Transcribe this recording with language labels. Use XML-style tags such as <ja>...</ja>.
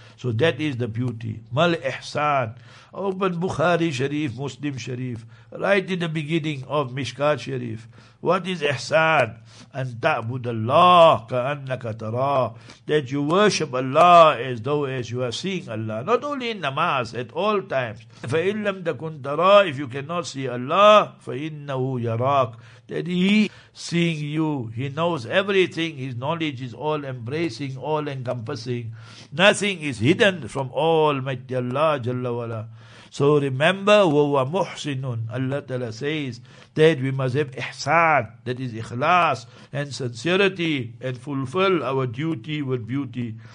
<en>So that is the beauty. Mal ihsan. Open Bukhari Sharif, Muslim Sharif, right in the beginning of Mishkat Sharif. What is ihsan?</en> <ar>أن تعبد الله كأنك تراه.</ar> <en>That you worship Allah as though as you are seeing Allah. Not only in namaz, at all times.</en> <ar>فإن لم تكن ترى,</ar> <en>if you cannot see Allah,</en> <ar>فإنه يراك.</ar> <en>That He seeing you, He knows everything, His knowledge is all embracing, all encompassing. Nothing is hidden from Almighty Allah Jalla Wala. So remember, wa muhsinun. Allah Ta'ala says that we must have ihsan, that is ikhlas and sincerity, and fulfill our duty with beauty.</en>